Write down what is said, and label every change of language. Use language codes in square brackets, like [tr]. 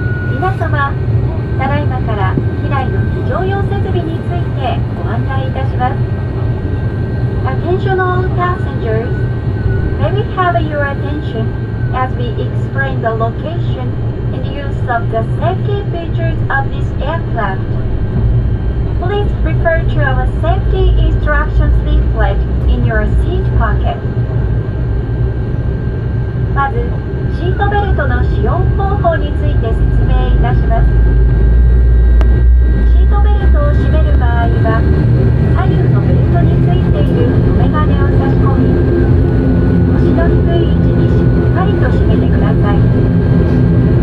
[ja] 皆様、ただいまから機内の非常用設備についてご案内いたします。 [en] Attention all passengers. May we have your attention as we explain the locationof the safety features of this aircraft. Please refer to our safety instructions leaflet in your seat pocket. [ja] まず、シートベルトの使用方法について説明いたします。シートベルトを締める場合は、左右のベルトについている留め金を差し込み、腰の低い位置にしっかりと締めてください。